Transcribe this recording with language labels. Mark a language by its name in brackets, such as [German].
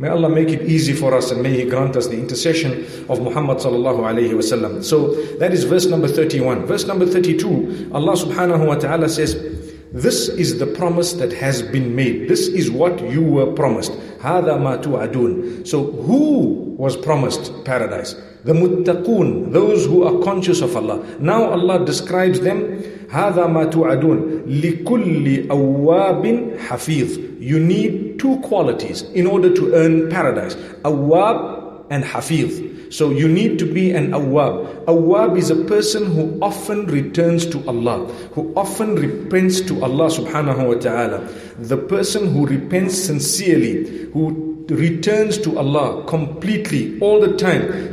[English] May Allah make it easy for us, and may He grant us the intercession of Muhammad sallallahu alayhi wa sallam. So that is verse number 31. Verse number 32, Allah subhanahu wa ta'ala says, this is the promise that has been made. This is what you were promised. [Arabic] هَذَا مَا تُوَعَدُونَ. [English] So who was promised paradise? The muttaqoon, those who are conscious of Allah. Now Allah describes them, [Arabic] هَذَا مَا تُوَعَدُونَ لِكُلِّ أَوَّابٍ حَفِيظٍ. [English] You need two qualities in order to earn paradise. Awwab and hafiz. So you need to be an awwab. Awwab is a person who often returns to Allah, who often repents to Allah subhanahu wa ta'ala. The person who repents sincerely, who returns to Allah completely, all the time.